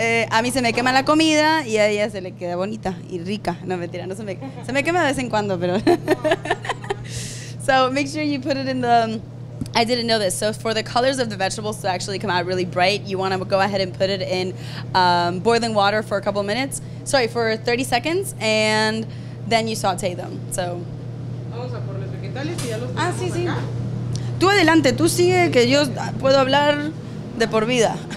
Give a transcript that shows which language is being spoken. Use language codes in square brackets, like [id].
[es] A mí se me quema la comida y a ella se le queda bonita y rica. No, mentira, no se me quema de vez en cuando, pero... [en] So make sure you put it in the... I didn't know this. So for the colors of the vegetables to actually come out really bright, you want to go ahead and put it in boiling water for a couple minutes. Sorry, for 30 seconds, and then you saute them, so... [es] Vamos a por los vegetales y ya los tenemos. Ah, sí, sí. Acá. Tú adelante, tú sigue, que yo puedo hablar de por vida.